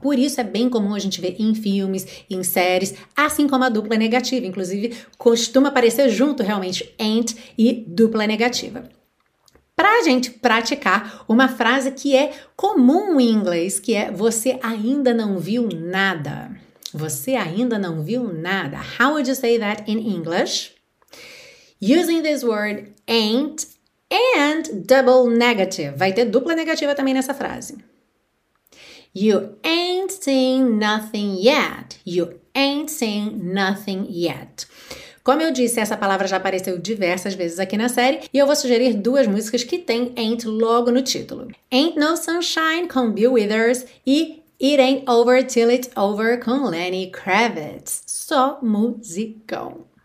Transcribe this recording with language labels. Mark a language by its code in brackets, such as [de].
[pt] Por isso é bem comum a gente ver em filmes, em séries, assim como a dupla negativa. Inclusive, costuma aparecer junto realmente ain't e dupla negativa. Para a gente praticar uma frase que é comum em inglês, que é você ainda não viu nada. Você ainda não viu nada. [en] How would you say that in English? Using this word ain't and double negative. [pt] Vai ter dupla negativa também nessa frase. [en] You ain't seen nothing yet. You ain't seen nothing yet. [pt] Como eu disse, essa palavra já apareceu diversas vezes aqui na série e eu vou sugerir duas músicas que tem ain't logo no título. Ain't No Sunshine com Bill Withers e It Ain't Over Till It's Over com Lenny Kravitz. Só musicão.